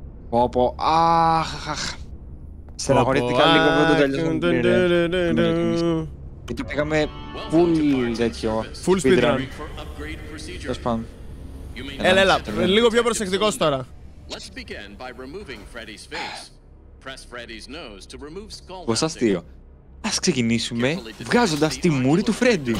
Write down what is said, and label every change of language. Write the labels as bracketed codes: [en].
[el] Πω πω, αχ. Στεναχωρήθηκα λίγο πριν το τελειώσουμε. Και το πήγαμε full τέτοιο. [en] Full speedrun. [el] Τέλος πάντων. Έλα, έλα, λίγο πιο προσεκτικός τώρα. [en] Let's begin by removing Freddy's face. Press Freddy's nose to remove skull. [el] Πώς αστείο. Ας ξεκινήσουμε βγάζοντας τη μούρη του Freddy.